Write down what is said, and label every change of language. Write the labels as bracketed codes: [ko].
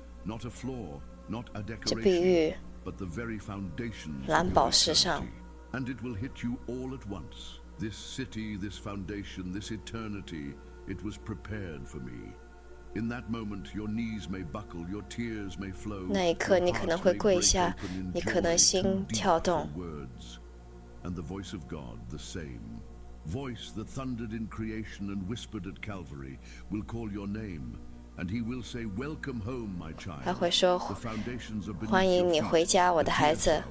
[en] Not a floor, not a decoration, but the very foundation of your city. And it will hit you all at once. This city, this foundation, this eternity, it was prepared for me. In that moment, your knees may buckle, your tears may flow. [zh] 那一刻你可能会跪下，你可能心跳动。 [en] And the voice of God, the same. Voice that thundered in creation and whispered at Calvary will call your name, and he will say, Welcome home, my child. [zh] 他会说，欢迎你回家，我的孩子。